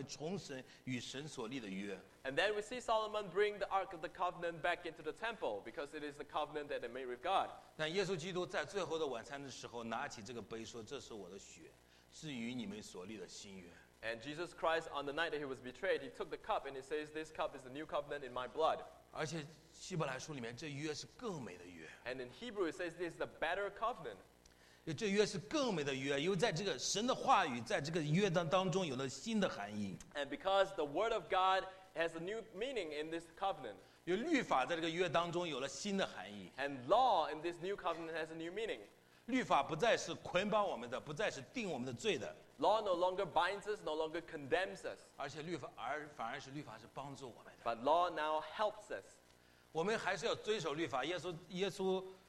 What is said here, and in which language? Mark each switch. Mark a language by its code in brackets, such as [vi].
[zh] 还有所罗门把这个约柜抬到这个圣殿里面，因为约柜代表他们重生与神所立的约。 [en] And then we see Solomon bring the Ark of the Covenant back into the temple because it is the covenant that they made with God. [zh] 但耶稣基督在最后的晚餐的时候，拿起这个杯说：“这是我的血，是与你们所立的新约。” [en] And Jesus Christ, on the night that he was betrayed, he took the cup and he says, "This cup is the new covenant in my blood." [zh] 而且希伯来书里面这约是更美的约。 [en] And in Hebrew it says, "This is the better covenant." [zh] 这约是更美的约，因为在这个神的话语在这个约当中有了新的含义。 [en] And because the word of God has a new meaning in this covenant. [zh] 有律法在这个约当中有了新的含义。 [en] And law in this new covenant has a new meaning. [zh] 律法不再是捆绑我们的，不再是定我们的罪的。 [en] Law no longer binds us, no longer condemns us. [zh] 而且律法反而是帮助我们的。 [en] But law now helps us. [zh] 我们还是要遵守律法，耶稣。